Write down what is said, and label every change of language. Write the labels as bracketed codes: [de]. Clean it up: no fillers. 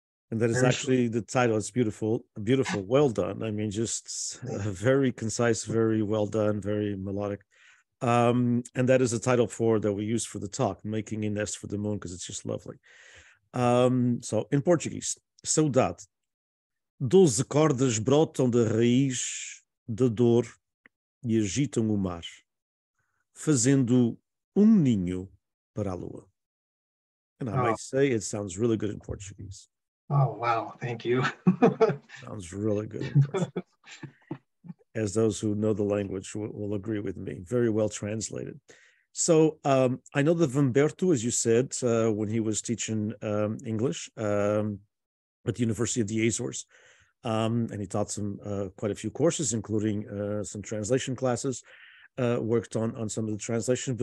[en] And that is actually the title. It's beautiful, beautiful, well done. I mean, just very concise, very well done, very melodic. And that is the title that we use for the talk, Making a Nest for the Moon, because it's just lovely. So in Portuguese, Saudade. [pt] 12 cordas brotam da raiz da dor e agitam o mar, fazendo um ninho para a lua. [en] And I might say it sounds really good in Portuguese. Oh, wow. Thank you. Sounds really good in Portuguese. As those who know the language will agree with me. Very well translated. So I know that Vamberto, as you said, when he was teaching English at the University of the Azores, and he taught some quite a few courses, including some translation classes, worked on some of the translation.